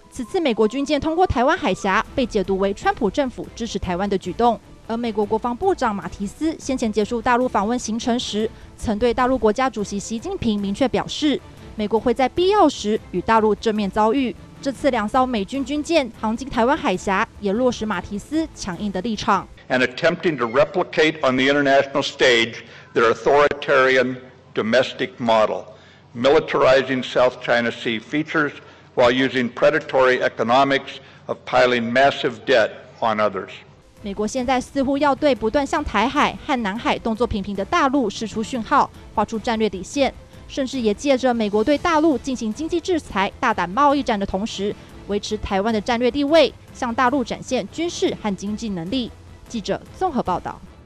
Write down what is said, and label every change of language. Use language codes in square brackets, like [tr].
[zh] 此次美国军舰通过台湾海峡，被解读为川普政府支持台湾的举动。而美国国防部长马提斯先前结束大陆访问行程时，曾对大陆国家主席习近平明确表示，美国会在必要时与大陆正面遭遇。这次2艘美军军舰航经台湾海峡，也落实马提斯强硬的立场。 [en] And attempting to replicate on the international stage their authoritarian domestic model, militarizing South China Sea features while using predatory economics of piling massive debt on others. [zh] 美国现在似乎要对不断向台海和南海动作频频的大陆释出讯号，画出战略底线。甚至也借着美国对大陆进行经济制裁、大胆贸易战的同时，维持台湾的战略地位，向大陆展现军事和经济能力。记者综合报道。